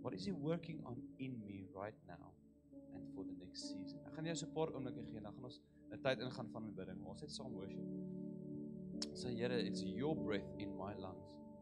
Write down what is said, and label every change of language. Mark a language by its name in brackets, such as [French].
[English] What is He working on in me right now and for the next season? [Afrikaans] Ek gaan jou so 'n paar oomblikke gee, dan gaan ons 'n tyd ingaan van bidding, ons het saam worship. Sê Here, [English] it's your breath in my lungs.